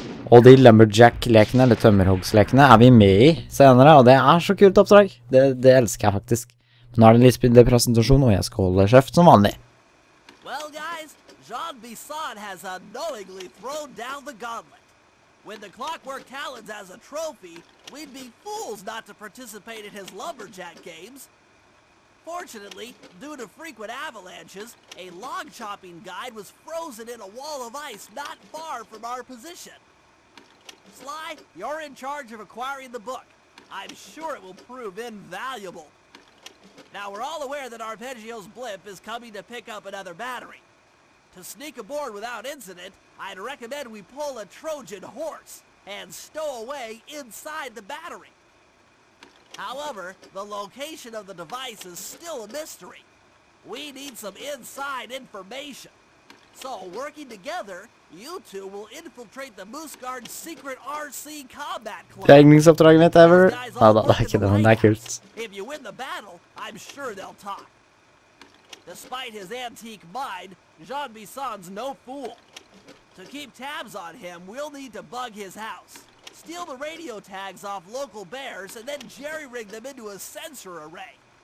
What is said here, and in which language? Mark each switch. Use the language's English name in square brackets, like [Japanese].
[Norwegian] Og de lumberjack-lekene, eller tømmerhogs-lekene, er vi med i senere, og det er så kult oppdrag. Det elsker jeg faktisk. Men nå er det en litt spydelig presentasjon, og jeg skal holde kjeft som vanlig. [English] Well, guys, Jambison has unknowingly thrown down the gauntlet. When the clockwork talons as a trophy, we'd be fools not to participate in his lumberjack games. Fortunately, due to frequent avalanches, a log chopping guide was frozen in a wall of ice not far from our position. Sly, you're in charge of acquiring the book. I'm sure it will prove invaluable. Now, we're all aware that Arpeggio's blimp is coming to pick up another battery. To sneak aboard without incident, I'd recommend we pull a Trojan horse and stow away inside the battery. However, the location of the device is still a mystery. We need some inside information. So, working together, you two will infiltrate the Moose Guard's secret RC combat club. [Norwegian] Regningsoppdraget mitt, ever. Nei, det er ikke det, men det er kult. [English] If you win the battle, I'm sure they'll talk. Despite his antique mind, Jambison's no fool. To keep tabs on him, we'll need to bug his house. Steal the radio tags off local bears and then jerry-rig them into a sensor array.